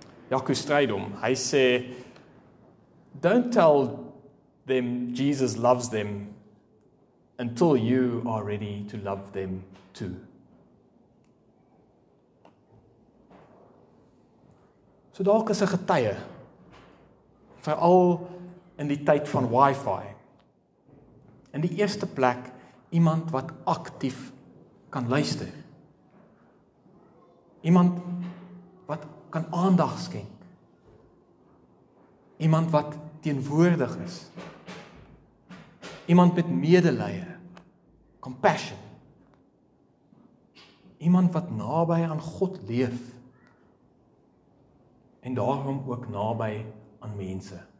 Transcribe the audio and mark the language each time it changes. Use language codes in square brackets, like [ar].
[en] Jaco Strydom, [af] hy sê, [en] "Don't tell them Jesus loves them until you are ready to love them too." [af] So dalk is 'n getuie, veral in die tyd van Wi-Fi, in die eerste plek iemand wat aktief kan luister. Iemand wat kan aandag skenk. Iemand wat teenwoordig is. Iemand met medelee, compassion. Iemand wat naby aan God leef en daarom ook naby aan mense.